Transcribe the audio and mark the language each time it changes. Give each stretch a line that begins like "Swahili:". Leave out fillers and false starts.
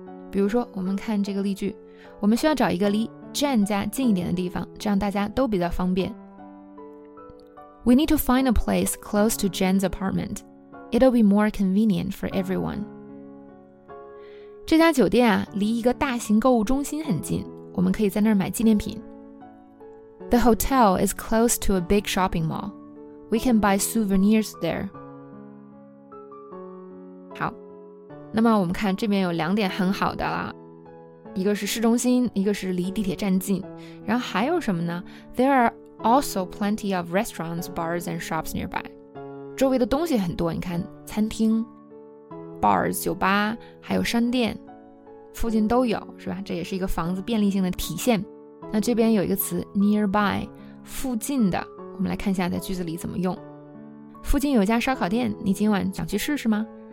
Chinese: 比如说，我们看这个例句，我们需要找一个离 Jane 家近一点的地方，这样大家都比较方便。
English: We need to find a place close to Jane's apartment. It'll be more convenient for everyone.
Chinese: 这家酒店啊，离一个大型购物中心很近，我们可以在那儿买纪念品。
English: The hotel is close to a big shopping mall. We can buy souvenirs there.
Chinese: 好，那么我们看这边有两点很好的了，一个是市中心，一个是离地铁站近。然后还有什么呢
English: ？There are also plenty of restaurants, bars, and shops nearby.
Chinese: 周围的东西很多，你看餐厅。Bars, 酒吧还有商店附近都有，是吧？这也是一个房子便利性的体现。那这边有一个词 nearby， 附近的，我们来看一下在句子里怎么用。附近有一家烧烤店，你今晚想去试试吗？